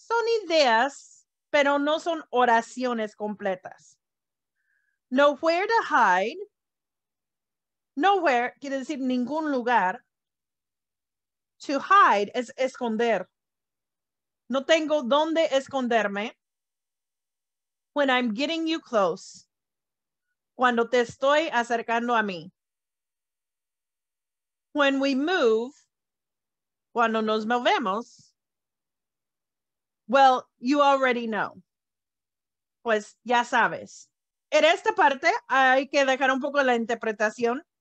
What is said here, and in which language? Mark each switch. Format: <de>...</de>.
<es>Son ideas, pero no son oraciones completas.</es> <en>Nowhere to hide.</en> <es>Nowhere quiere decir ningún lugar.</es> <en>To hide</en> <es>es esconder. No tengo dónde esconderme.</es> <en>When I'm getting you close.</en> <es>Cuando te estoy acercando a mí.</es> <en>When we move.</en> <es>Cuando nos movemos.</es> <en>Well, you already know.</en> <es>Pues ya sabes. En esta parte hay que dejar un poco la interpretación.</es>